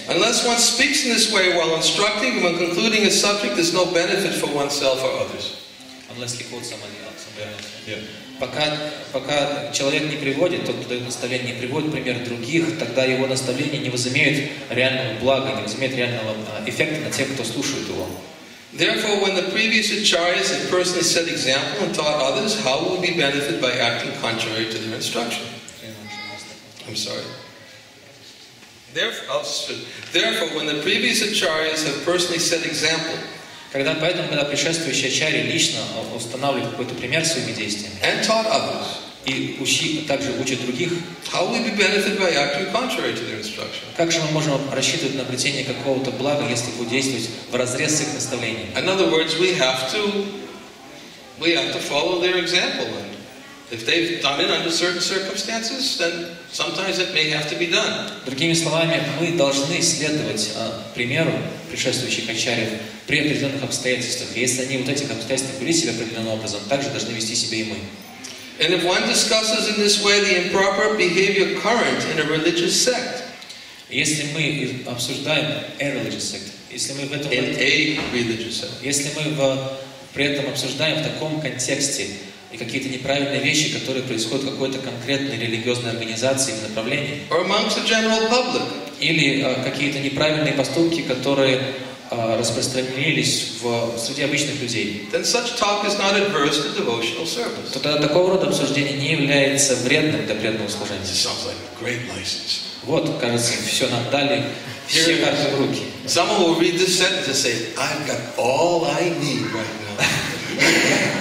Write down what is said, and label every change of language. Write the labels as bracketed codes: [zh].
[en] Unless one speaks in this way while instructing, when concluding a subject, there's no benefit for oneself or others. Unless he quotes somebody else. [ru] Пока человек не приводит, тот, кто дает наставление, не приводит пример других, тогда его наставления не возымеют реального блага, не возымеют реального эффекта на тех, кто слушает его. [en] Therefore, when the previous acharyas had personally set example and taught others, how would we benefit by acting contrary to their instruction? I'm sorry. Therefore, when the previous acharyas have personally set example, [ru] когда предшествующие ачарьи лично устанавливают какой-то пример своими действиями, [en] and taught others, [ru] и также учат других, [en] how would we benefit by acting contrary to their instruction? [ru] Как же мы можем рассчитывать на обретение какого-то блага, если будем действовать в разрез с их наставлениями? [en] In other words, we have to follow their example. And if they've done it under certain circumstances, then sometimes it may have to be done. [ru] Другими словами, мы должны следовать примеру предшествующих ачарьев при определенных обстоятельствах. И если они вот этих обстоятельствах вели себя определенным образом, также должны вести себя и мы. [en] And if one discusses in this way the improper behavior current in a religious sect, [ru] если мы обсуждаем [en] a religious sect, [ru] если мы в этом [en] in a religious sect, [ru] если мы при этом обсуждаем в таком контексте и какие-то неправильные вещи, которые происходят в какой-то конкретной религиозной организации или направлении, [en] or amongst the general public, [ru] или какие-то неправильные поступки, которые распространились в среди обычных людей, [en] then such talk is not adverse to devotional service. [ru] То тогда такого рода обсуждение не является вредным для преданного служения. [en] It sounds like great license. [ru] Вот, кажется, все нам дали, все карты в руки. [en] Someone will read this sentence and say, I've got all I need right now.